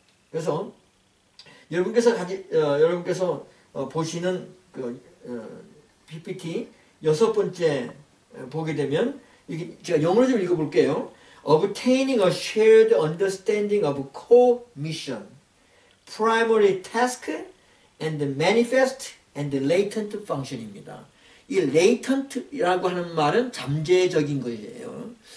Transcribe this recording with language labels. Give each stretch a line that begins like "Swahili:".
Korean: 그래서 여러분께서 보시는 그 PPT 여섯 번째 보게 되면 이게 제가 영어로 좀 읽어볼게요.
English: Obtaining a shared understanding of core mission, primary task, and manifest and latent function입니다.
Korean: 이 latent이라고 하는 말은 잠재적인 거예요.